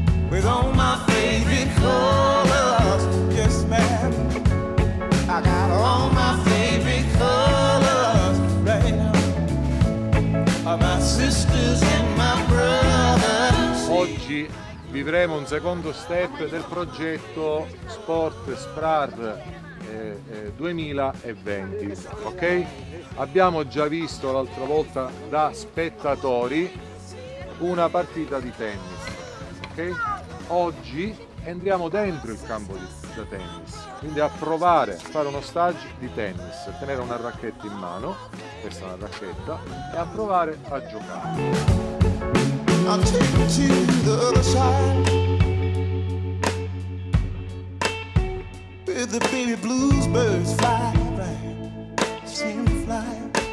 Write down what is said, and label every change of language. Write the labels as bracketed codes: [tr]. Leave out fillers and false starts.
[en] With all my favorite colors, yes ma'am, I got all my favorite colors right now. My sisters and my brothers. [it] Oggi vivremo un secondo step del progetto Sport Sprar 2020, ok? Abbiamo già visto l'altra volta da spettatori una partita di tennis, ok? Oggi entriamo dentro il campo da tennis, quindi a provare a fare uno stage di tennis, a tenere una racchetta in mano, questa è una racchetta, e a provare a giocare. [en] I'll take you to the other side, where the baby blues birds fly, fly, see them fly.